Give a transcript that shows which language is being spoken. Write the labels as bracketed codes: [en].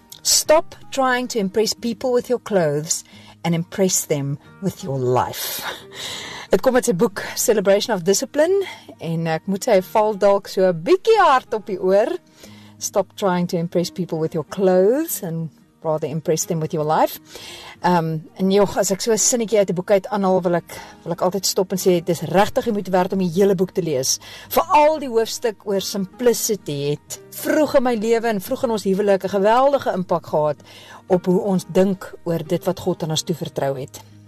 [en] Stop trying to impress people with your clothes and impress them with your life. [af] Het kom met sy boek Celebration of Discipline en ek moet sê hy val dalk so 'n bietjie hard op die oor. [en] Stop trying to impress people with your clothes and rather impress them with your life. [af] En joh, as ek so 'n sinnetjie uit die boek uit aanhaal, wil ek altyd stop en sê dit is regtig moeite werd om die hele boek te lees. Veral die hoofstuk oor simplicity het vroeg in my lewe en vroeg in ons huwelik 'n geweldige impak gehad op hoe ons dink oor dit wat God aan ons toevertrou het.